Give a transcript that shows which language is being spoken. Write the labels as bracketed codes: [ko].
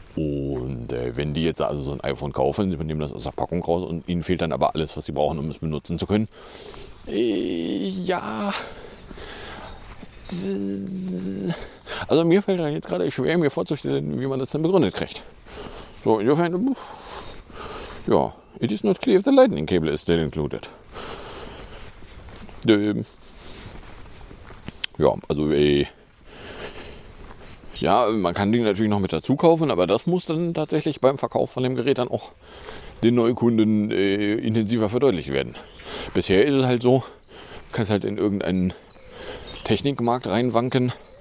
[de] Und wenn die jetzt also so ein iPhone kaufen, sie nehmen das aus der Packung raus und ihnen fehlt dann aber alles, was sie brauchen, um es benutzen zu können. Ja. Also mir fällt dann jetzt gerade schwer, mir vorzustellen, wie man das dann begründet kriegt. So, insofern, ja, [en] it is not clear if the lightning cable is still included. [de] Ja, also ja, man kann den natürlich noch mit dazu kaufen, aber das muss dann tatsächlich beim Verkauf von dem Gerät dann auch den Neukunden intensiver verdeutlicht werden. Bisher ist es halt so, du kannst halt in irgendeinen Technikmarkt reinwanken,